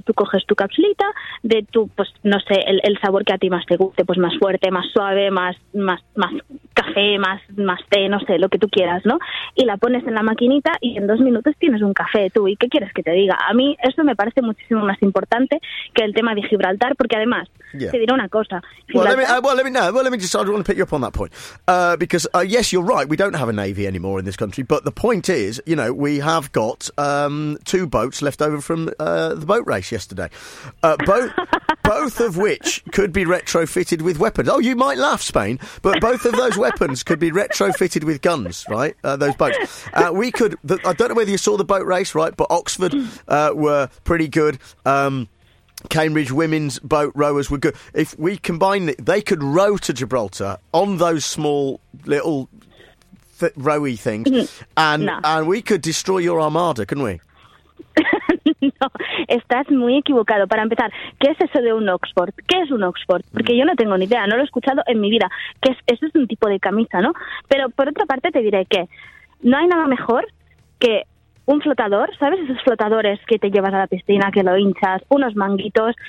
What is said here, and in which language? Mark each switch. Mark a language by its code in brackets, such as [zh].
[es] Tú coges tu cápsulita de tu, pues no sé, el sabor que a ti más te guste, pues más fuerte, más suave, más café, más té, no sé, lo que tú quieras, ¿no? Y la pones en la maquinita y en 2 minutos tienes un café tú. ¿Y qué quieres que te diga? A mí eso me parece muchísimo más importante que el tema de Gibraltar, porque además, te diré una cosa. [en] Because, yes, you're right, we don't have a navy anymore in this country, but the point is, you know, we have got 2 boats left over from the boat race yesterday, both of which could be retrofitted with weapons. Oh, you might laugh, Spain, but both of those weapons could be retrofitted with guns, right, those boats. I don't know whether you saw the boat race, right, but Oxford were pretty good. Cambridge women's boat rowers were good. If we combine it, they could row to Gibraltar on those small little rowy things, and we could destroy your armada, couldn't we? [es] No, estás muy equivocado. Para empezar, ¿qué es eso de un Oxford? ¿Qué es un Oxford? Porque yo no tengo ni idea, no lo he escuchado en mi vida. ¿Qué es? Eso es un tipo de camisa, ¿no? Pero por otra parte te diré que no hay nada mejor que un flotador, ¿sabes? Esos flotadores que te llevas a la piscina, que lo hinchas, unos manguitos.